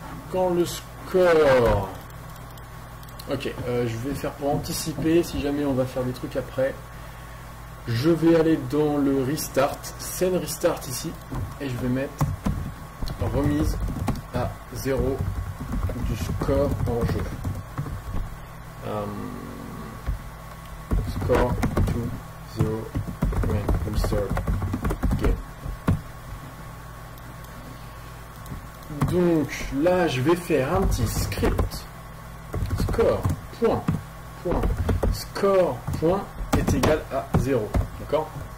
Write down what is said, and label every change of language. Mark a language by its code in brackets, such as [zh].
[fr] Quand le score. Ok, je vais faire pour anticiper, si jamais on va faire des trucs après. Je vais aller dans le restart, scène restart ici, et je vais mettre remise à 0 du score en jeu. [en] Score to 0 when restart game. [fr] Donc là je vais faire un petit script score point point score point est égal à 0, d'accord.